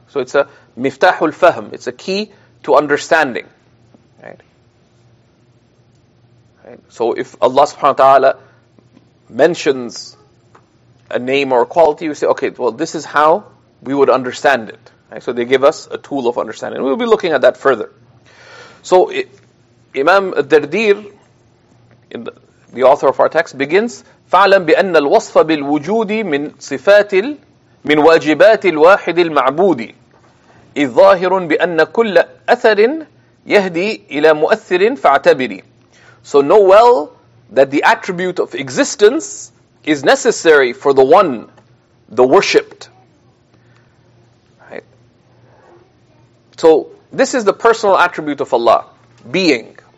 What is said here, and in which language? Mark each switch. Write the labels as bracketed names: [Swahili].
[English] So it's a [Arabic] miftahul fahm. [English] It's a key to understanding. Right. So if Allah subhanahu wa ta'ala mentions a name or a quality, you say, okay, well, this is how we would understand it. Right. So they give us a tool of understanding. We'll be looking at that further. So Imam Dardir, the author of our text, begins, [Arabic] فَعْلَمْ بِأَنَّ الْوَصْفَ بِالْوُجُودِ مِنْ صِفَاتِ مِنْ وَاجِبَاتِ الْوَاحِدِ الْمَعْبُودِ إِذْ ظَاهِرٌ بِأَنَّ كُلَّ أَثَرٍ يَهْدِي إِلَى مُؤَثِّرٍ فَاعْتَبِرِ. [English] So know well that the attribute of existence is necessary for the one, the worshipped. Right. So this is the personal attribute of Allah, being.